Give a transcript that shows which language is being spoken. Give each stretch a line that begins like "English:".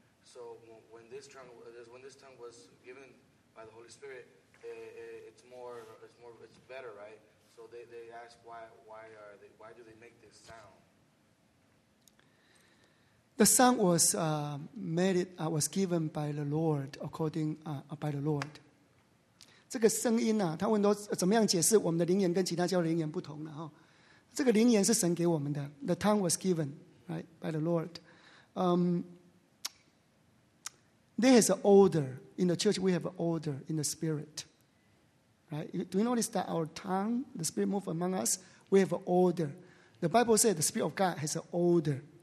English: So when this tongue was given by the Holy Spirit, it's better, right? So they ask why do they make this sound? The sound was was given by the Lord according by the Lord.
Chinese: 这个声音呢、啊，他问说怎么样解释我们的灵言跟其他教的灵言不同呢？哈、哦，这个灵言是神给我们的。
English: The tongue was given right by the Lord. There is an order in the church. We have an order in the spirit. Right? Do you notice that our tongue, the spirit move among us? We have an order. The Bible says the spirit of God has an order.